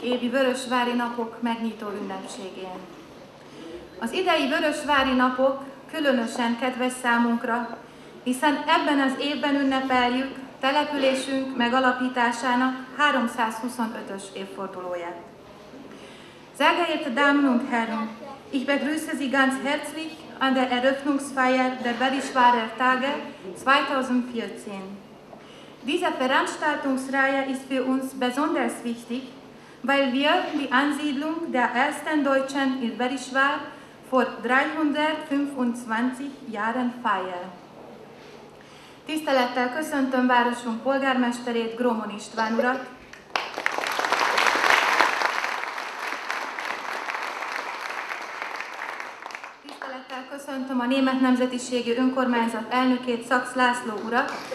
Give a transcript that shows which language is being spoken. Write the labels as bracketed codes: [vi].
[hu] évi Vörösvári Napok megnyitó ünnepségén. Az idei Vörösvári Napok különösen kedves számunkra, hiszen ebben az évben ünnepeljük településünk megalapításának 325-ös évfordulóját. [de] Sehr geehrte Damen und Herren, ich begrüße Sie ganz herzlich an der Eröffnungsfeier der Vörösvárer Tage 2014. Diese Veranstaltungsreihe ist für uns besonders wichtig, weil wir die Ansiedlung der ersten Deutschen in Vörösvár vor 325 Jahren feiern. [hu] Tisztelettel köszöntöm városunk polgármesterét, Gromon István urat. Köszöntöm a német nemzetiségű önkormányzat elnökét, Szaksz László urat.